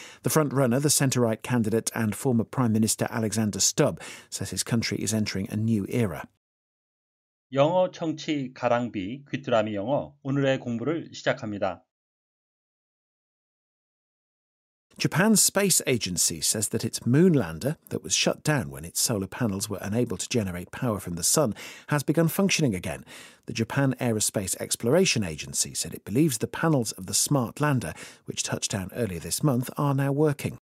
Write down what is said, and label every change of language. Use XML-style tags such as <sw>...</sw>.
<en>The front-runner, the centre-right candidate and former Prime Minister Alexander Stubb, says his country is entering a new era.</en> <ko>영어 청취 가랑비 귀뚜라미 영어 오늘의 공부를 시작합니다.</ko> <en>Japan's space agency says that its moon lander, that was shut down when its solar panels were unable to generate power from the sun, has begun functioning again. The Japan Aerospace Exploration Agency said it believes the panels of the smart lander, which touched down earlier this month, are now working.</en>